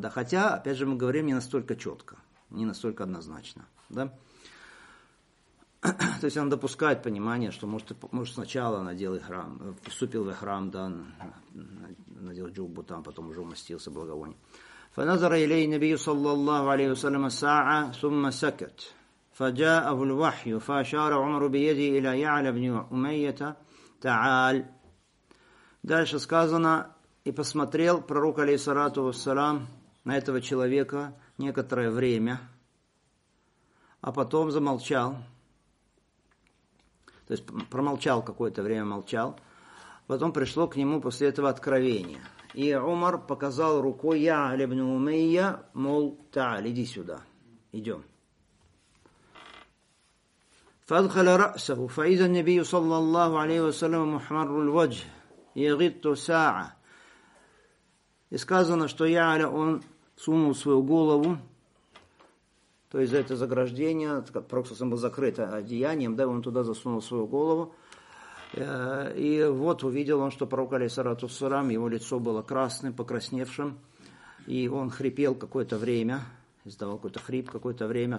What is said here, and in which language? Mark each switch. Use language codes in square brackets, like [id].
[ru] Да, хотя, опять же, мы говорим не настолько четко, не настолько однозначно. Да? То есть он допускает понимание, что может сначала надел храм, вступил в храм, да, надел джубу там, потом уже умастился благовонием. [ar] Фаназара илей набию саллаллаху алейхи вассалям саа сумма сакет. فجاءه الوحي فأشار عمر بيده إلى يعلى بن أمية تعال. [ru] Дальше сказано, и посмотрел пророк, алейхиссалату вассалам, на этого человека некоторое время, а потом замолчал. То есть промолчал какое-то время, молчал. Потом пришло к нему после этого откровение. И Умар показал рукой يعلى بن أمية, мол, [ar] تعال, [ru] иди сюда, идем. [ar] فادخل رأسه فإذا النبي صلى الله عليه وسلم محمر الوجه يغط ساعة. [ru] И сказано, что Яля, он сунул свою голову, то есть за это заграждение, проксусом был закрыт одеянием, да, он туда засунул свою голову, и вот увидел он, что пророк, алейхиссалату вассалям, его лицо было красным, покрасневшим, и он хрипел какое-то время, издавал какой-то хрип какое-то время.